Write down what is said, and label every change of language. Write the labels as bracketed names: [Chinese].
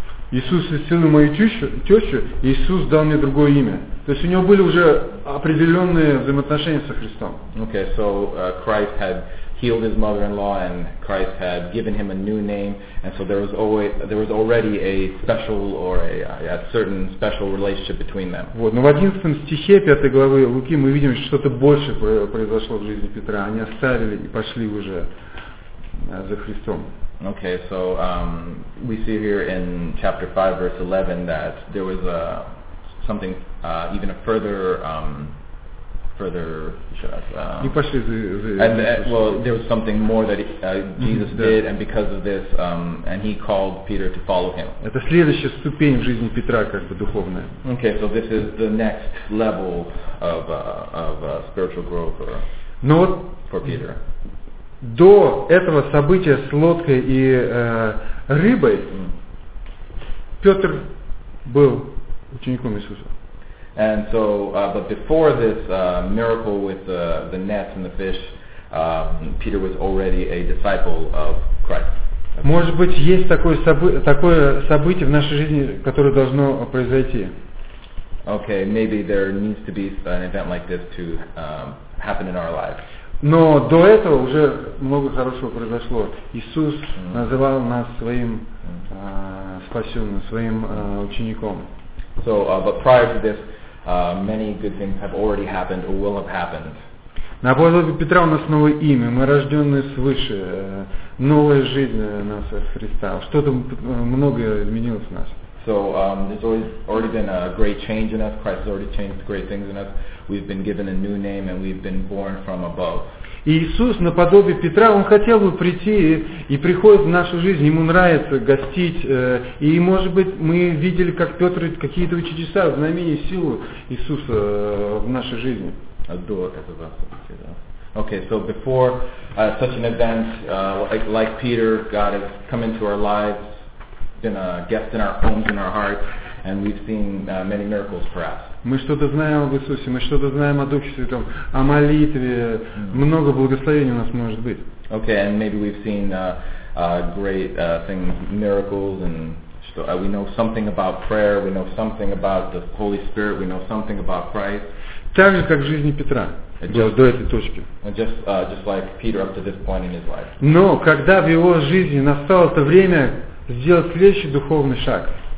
[Russian] Иисус исцелил мою тещу, Иисус дал мне другое имя. То есть у него были уже определенные взаимоотношения со Христом. [English] Okay, so Christ had healed his mother-in-law, and Christ had given him a new name, and so there was already a special or a certain special relationship between them. [Russian] Вот, но в 11 стихе 5 главы Луки мы видим, что что-то больше произошло в жизни Петра. Они оставили и пошли уже за Христом. [English] Okay, so we see here in chapter 5, verse 11, that there was something even a further. [Russian] И пошли за Иисусом. [English] Well, there was something more that Jesus did, and because of this, and he called Peter to follow him. [Russian] Это следующая ступень в жизни Петра, как бы духовная. [English] Okay, so this is the next level of spiritual growth for Peter. [Russian] До этого события с лодкой и рыбой Петр был учеником Иисуса. [English] And so, but before this miracle with the nets and the fish, Peter was already a disciple of Christ. [Russian] Может быть, есть такое событие в нашей жизни, которое должно произойти? [English] Okay, maybe there needs to be an event like this to happen in our lives. [Russian] Но до этого уже много хорошего произошло. Иисус называл нас своим спасенным, своим учеником. [English] So, but prior to this, many good things have already happened or will have happened. [Russian] На апостоле Петра у нас новое имя, мы рождённые свыше, новая жизнь у нас от Христа. Что-то многое изменилось в нас. [English] So there's already been a great change in us. Christ has already changed great things in us. We've been given a new name and we've been born from above. [Russian] Иисус, наподобие Петра, Он хотел бы прийти и приходит в нашу жизнь. Ему нравится гостить. И, может быть, мы видели, как Петр какие-то чудеса, знамения, силу Иисуса в нашей жизни. До этого. [English] Okay, so before such an event, like Peter, God has come into our lives, been a guest in our homes, in our hearts, and we've seen many miracles for us. [Russian] Мы что-то знаем об Иисусе, мы что-то знаем о Духе Святом, о молитве, много благословений у нас может быть. [English] Okay, and maybe we've seen great things, miracles and So we know something about prayer, we know something about the Holy Spirit, we know something about Christ. [Russian] Так же, как в жизни Петра, до этой точки. [English] Just like Peter up to this point in his life. [Russian] Но когда в его жизни настало это время сделать следующий духовный шаг.